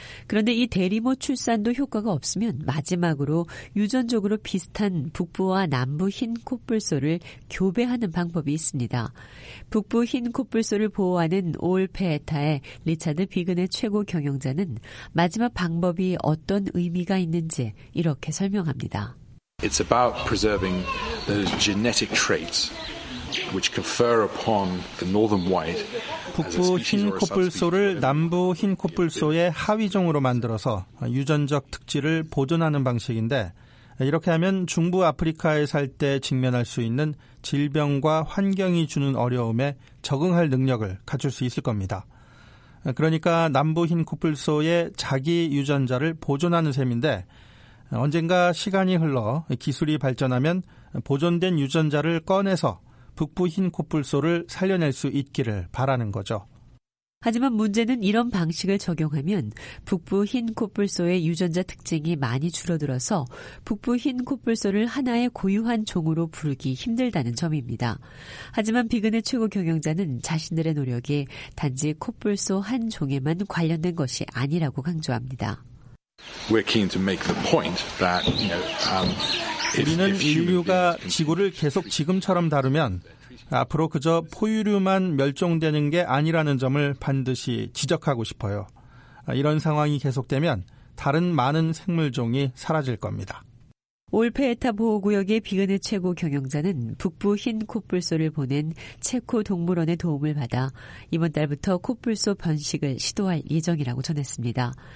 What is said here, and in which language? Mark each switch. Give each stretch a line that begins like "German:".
Korean: 그런데 이 대리모 출산도 효과가 없으면 마지막으로 유전적으로 비슷한 북부와 남부 흰 코뿔소를 교배하는 방법이 있습니다. 북부 흰 코뿔소를 보호하는 올페에타의 리차드 비근의 최고 경영자는 마지막 방법이 어떤 의미가 있는지 이렇게 설명합니다.
English: It's about preserving those genetic traits which confer upon the northern white.
Korean: 북부 흰 코뿔소를 남부 흰 코뿔소의 하위종으로 만들어서 유전적 특질을 보존하는 방식인데 이렇게 하면 중부 아프리카에 살 때 직면할 수 있는 질병과 환경이 주는 어려움에 적응할 능력을 갖출 수 있을 겁니다. 그러니까 남부 흰 코뿔소의 자기 유전자를 보존하는 셈인데 언젠가 시간이 흘러 기술이 발전하면 보존된 유전자를 꺼내서 북부 흰 코뿔소를 살려낼 수 있기를 바라는 거죠. 하지만 문제는 이런 방식을 적용하면 북부 흰 코뿔소의 유전자 특징이 많이 줄어들어서 북부 흰 코뿔소를 하나의 고유한 종으로 부르기 힘들다는 점입니다. 하지만 비근의 최고 경영자는 자신들의 노력이 단지 코뿔소 한 종에만 관련된 것이 아니라고 강조합니다.
English: We're keen to make the point that, you know,
Korean: 우리는 인류가 지구를 계속 지금처럼 다루면 앞으로 그저 포유류만 멸종되는 게 아니라는 점을 반드시 지적하고 싶어요. 이런 상황이 계속되면 다른 많은 생물종이 사라질 겁니다. 올페에타 보호구역의 비근의 최고 경영자는 북부 흰 코뿔소를 보낸 체코 동물원의 도움을 받아 이번 달부터 코뿔소 번식을 시도할 예정이라고 전했습니다.